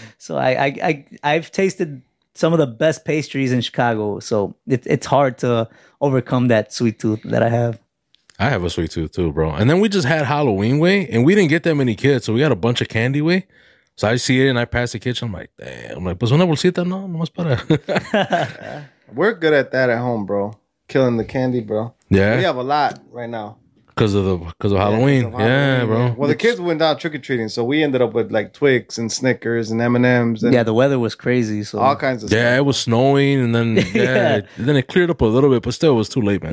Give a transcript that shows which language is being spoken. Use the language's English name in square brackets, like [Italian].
[English] So I've tasted some of the best pastries in Chicago. So it's hard to overcome that sweet tooth that I have. I have a sweet tooth too, bro. And then we just had Halloween way and we didn't get that many kids. So we got a bunch of candy way. So I see it and I pass the kitchen. I'm like, damn. I'm like, [Spanish] pues una bolsita, no, no más para. [English] We're good at that at home, bro. Killing the candy, bro. Yeah. We have a lot right now. Because of Halloween. Yeah, bro. Well, the kids went down trick-or-treating, so we ended up with, like, Twix and Snickers and M&Ms. And yeah, the weather was crazy, so. All kinds of stuff. Yeah, it was snowing, and then then it cleared up a little bit, but still, it was too late, man.